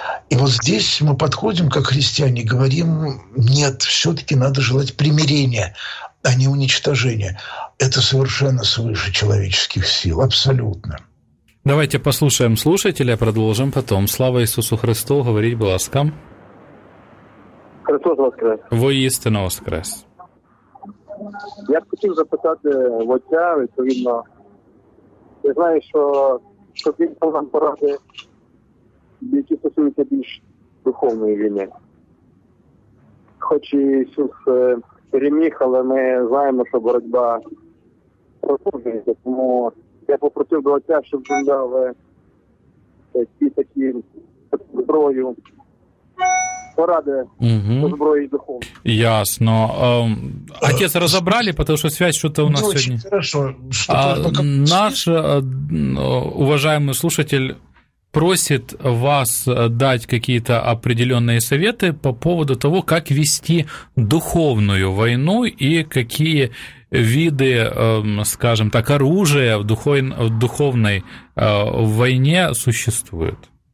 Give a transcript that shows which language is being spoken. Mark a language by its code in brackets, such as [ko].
[ru] И вот здесь мы подходим, как христиане, говорим, нет, все-таки надо желать примирения, а не уничтожение. Это совершенно свыше человеческих сил, абсолютно. Давайте послушаем слушателя, продолжим потом. Слава Иисусу Христу, говорить бы ласкам. Христос воскрес. Воистину воскрес. [uk] Я б хотів запитати в отця, відповідно. Я знаю, що щоб він дав нам поради, які стосуються більш духовної війни. Хоч Ісус переміг, але ми знаємо, що боротьба продовжується. Тому я попросив до отця, щоб він дав ці такі зброю, поради зброї духовної. Ясно. Отець, розібрали, тому що зв'язь що-то у нас сьогодні. Дуже добре. [ru] Наш уважаемый слушатель просит вас дать какие-то определенные советы по поводу того, как вести духовную войну и какие виды, скажем так, оружия в духовной войне существуют.